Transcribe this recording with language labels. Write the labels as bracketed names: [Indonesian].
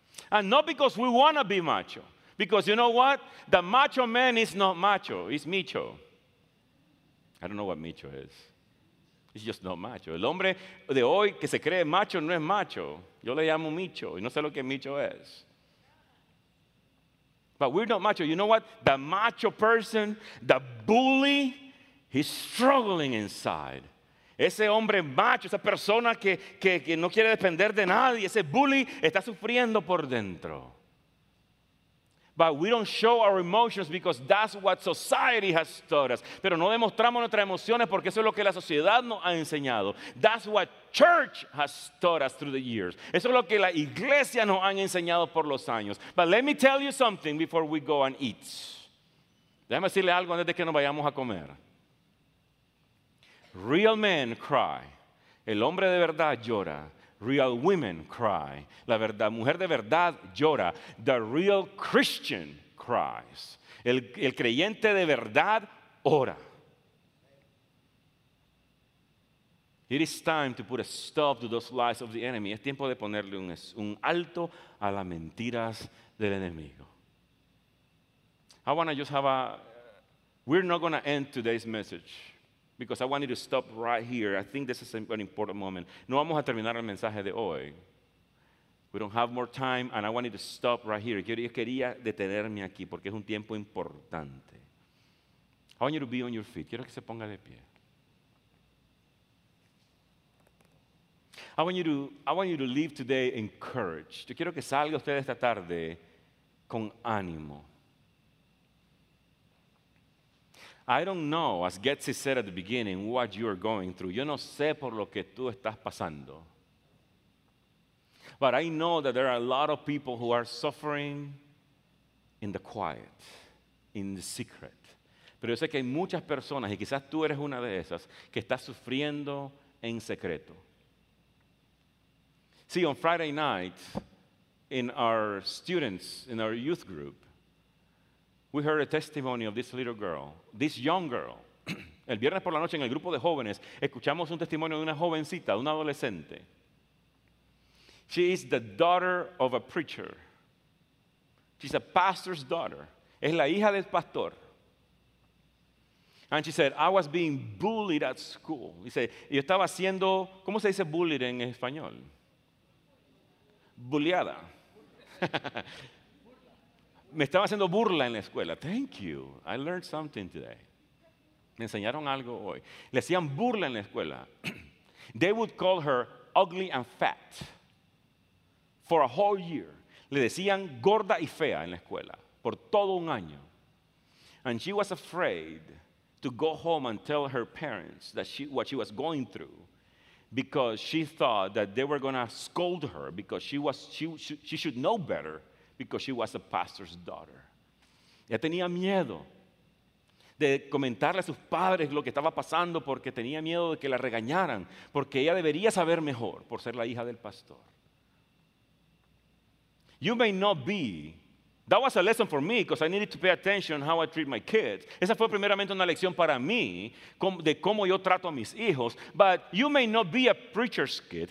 [English] And not because we want to be macho. Because you know what? The macho man is not macho. It's micho. I don't know what micho is. It's just not macho. [Spanish] El hombre de hoy que se cree macho no es macho. Yo le llamo micho y no sé lo que micho es. [English] But we're not macho. You know what? The macho person, the bully, he's struggling inside. [Spanish] Ese hombre macho, esa persona que no quiere depender de nadie, ese bully está sufriendo por dentro. [English] But we don't show our emotions because that's what society has taught us. [Spanish] Pero no demostramos nuestras emociones porque eso es lo que la sociedad nos ha enseñado. [English] That's what church has taught us through the years. [Spanish] Eso es lo que la iglesia nos ha enseñado por los años. [English] But let me tell you something before we go and eat. [Spanish] Déjame decirle algo antes de que nos vayamos a comer. [English] Real men cry. [Spanish] El hombre de verdad llora. [English] Real women cry. [Spanish] La verdad, mujer de verdad llora. [English] The real Christian cries. [Spanish] El creyente de verdad ora. [English] It is time to put a stop to those lies of the enemy. [Spanish] Es tiempo de ponerle un alto a las mentiras del enemigo. [English] I want to just have a... We're not going to end today's message. Because I wanted to stop right here. I think this is an important moment. [Spanish] No vamos a terminar el mensaje de hoy. [English] We don't have more time, and I wanted to stop right here. [Spanish] Yo quería detenerme aquí porque es un tiempo importante. [English] I want you to be on your feet. [Spanish] Quiero que se ponga de pie. [English] I want you to leave today encouraged. [Spanish] Yo quiero que salga usted esta tarde con ánimo. [English] I don't know, as Getsy said at the beginning, what you're going through. [Spanish] Yo no sé por lo que tú estás pasando. [English] But I know that there are a lot of people who are suffering in the quiet, in the secret. [Spanish] Pero yo sé que hay muchas personas, y quizás tú eres una de esas, que estás sufriendo en secreto. [English] See, on Friday night, in our youth group, we heard a testimony of this little girl, this young girl. [Spanish] El viernes por la noche en el grupo de jóvenes, escuchamos un testimonio de una jovencita, una adolescente. [English] She is the daughter of a preacher. She's a pastor's daughter. [Spanish] Es la hija del pastor. [English] And she said, I was being bullied at school. [Spanish] Dice, yo estaba siendo, ¿cómo se dice bullied en español? Bulleada. Me estaba haciendo burla en la escuela. [English] Thank you. I learned something today. [Spanish] Me enseñaron algo hoy. Le hacían burla en la escuela. [English] They would call her ugly and fat for a whole year. [Spanish] Le decían gorda y fea en la escuela por todo un año. [English] And she was afraid to go home and tell her parents that what she was going through, because she thought that they were going to scold her because she should know better, because she was a pastor's daughter. [Spanish] Ella tenía miedo de comentarle a sus padres lo que estaba pasando, porque tenía miedo de que la regañaran, porque ella debería saber mejor por ser la hija del pastor. [English] You may not be. That was a lesson for me, because I needed to pay attention how I treat my kids. [Spanish] Esa fue primeramente una lección para mí de cómo yo trato a mis hijos. [English] But you may not be a preacher's kid.